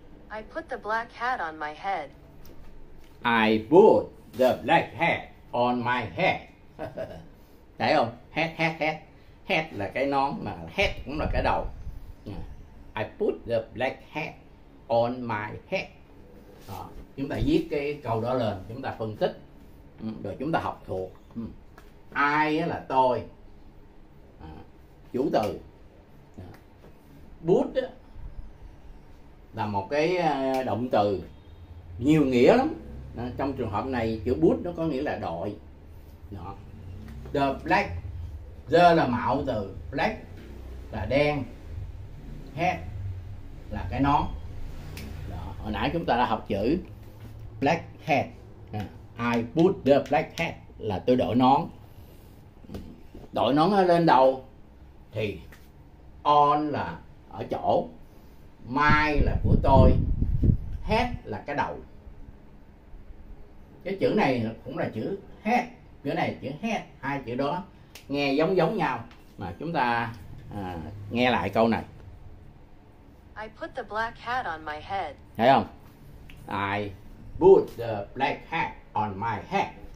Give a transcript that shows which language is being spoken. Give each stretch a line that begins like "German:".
English: I put the black hat on my head. I put the black hat on my head.
Vietnamese: Thấy không? Hat, hat, hat. Hat là cái nón mà hat cũng là cái đầu.
English: I put the black hat on my head.
Vietnamese: Đó. Chúng ta viết cái câu đó lên, chúng ta phân tích, rồi chúng ta học thuộc. I là tôi, chủ từ. Put là một cái động từ nhiều nghĩa lắm. Trong trường hợp này chữ put nó có nghĩa là đội. Đó. The black, the là mạo từ, black là đen, hat là cái nón. Đó. Hồi nãy chúng ta đã học chữ black hat.
English: I put the black hat
Vietnamese: là tôi đội nón. Đội nón lên đầu thì on là ở chỗ, my là của tôi, hat là cái đầu. Cái chữ này cũng là chữ hat, chữ này chữ hat, hai chữ đó nghe giống giống nhau. Mà chúng ta nghe lại câu này.
English: I put the black hat on my head.
Vietnamese: Thấy không?
English: I put the black hat on my head.